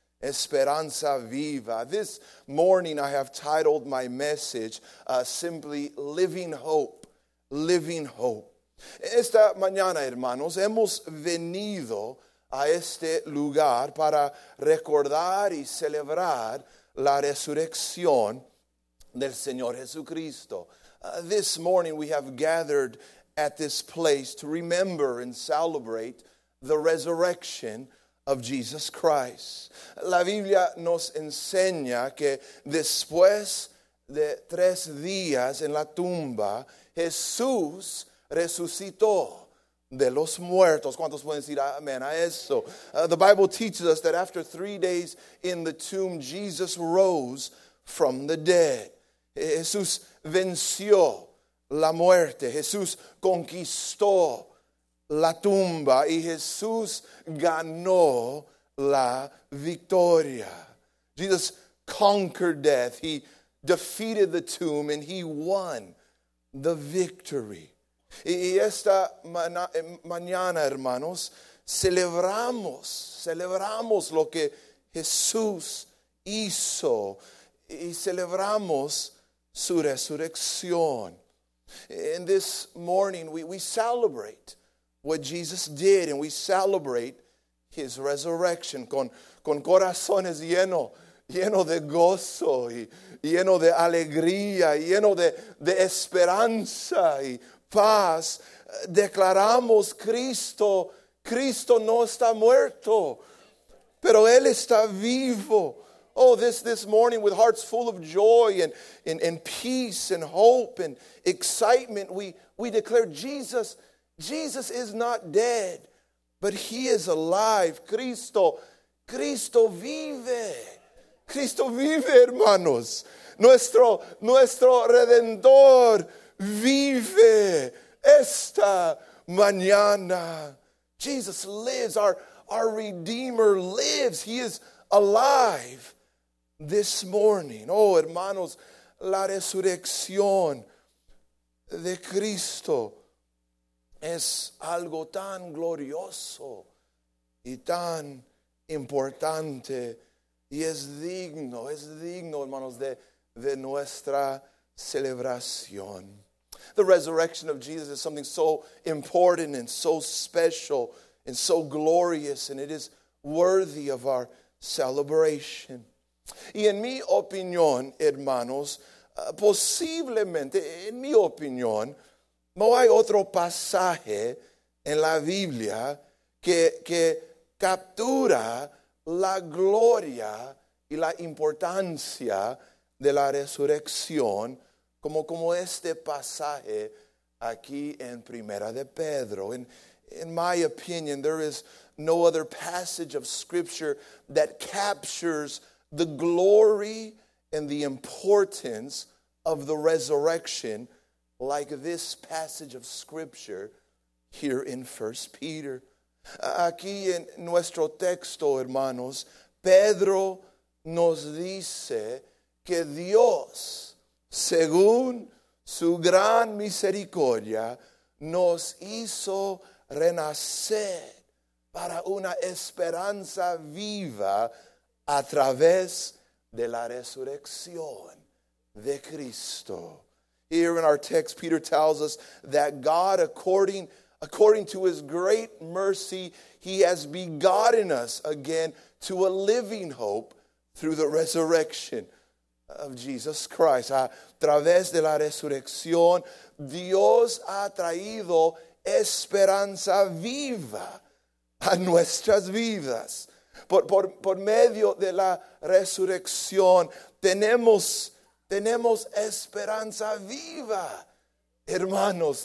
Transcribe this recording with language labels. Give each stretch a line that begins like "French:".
Spanish: Esperanza Viva.
English: This morning I have titled my message simply Living Hope, Living Hope.
Spanish: Esta mañana, hermanos, hemos venido a este lugar para recordar y celebrar la resurrección del Señor Jesucristo.
English: This morning we have gathered at this place to remember and celebrate the resurrection of Jesus Christ.
Spanish: La Biblia nos enseña que después de tres días en la tumba, Jesús resucitó de los muertos. ¿Cuántos pueden decir amén a eso?
English: The Bible teaches us that after 3 days in the tomb, Jesus rose from the dead.
Spanish: Jesús venció la muerte. Jesús conquistó la tumba, y Jesús ganó la victoria.
English: Jesus conquered death. He defeated the tomb and he won the victory.
Spanish: Y esta mañana, hermanos, celebramos lo que Jesús hizo, y celebramos su resurrección.
English: And this morning we celebrate what Jesus did, and we celebrate his resurrection
Spanish: con corazones lleno de gozo y lleno de alegría y lleno de esperanza y paz. Declaramos Cristo no está muerto, pero él está vivo.
English: Oh, this morning, with hearts full of joy and peace and hope and excitement, we declare Jesus is not dead, but he is alive.
Spanish: Cristo vive. Cristo vive, hermanos. Nuestro Redentor vive esta mañana.
English: Jesus lives. Our Redeemer lives. He is alive this morning.
Spanish: Oh, hermanos, la resurrección de Cristo es algo tan glorioso y tan importante, y es digno, hermanos, de nuestra celebración.
English: The resurrection of Jesus is something so important and so special and so glorious, and it is worthy of our celebration.
Spanish: Y en mi opinión, hermanos, posiblemente, en mi opinión, no hay otro pasaje en la Biblia que captura la gloria y la importancia de la resurrección como este pasaje aquí en Primera de Pedro. En,
English: In my opinion, there is no other passage of Scripture that captures the glory and the importance of the resurrection like this passage of Scripture here in 1 Peter.
Spanish: Aquí en nuestro texto, hermanos, Pedro nos dice que Dios, según su gran misericordia, nos hizo renacer para una esperanza viva a través de la resurrección de Cristo.
English: Here in our text, Peter tells us that God, according to his great mercy, he has begotten us again to a living hope through the resurrection of Jesus Christ.
Spanish: A través de la resurrección, Dios ha traído esperanza viva a nuestras vidas. Por medio de la resurrección, tenemos esperanza viva, hermanos.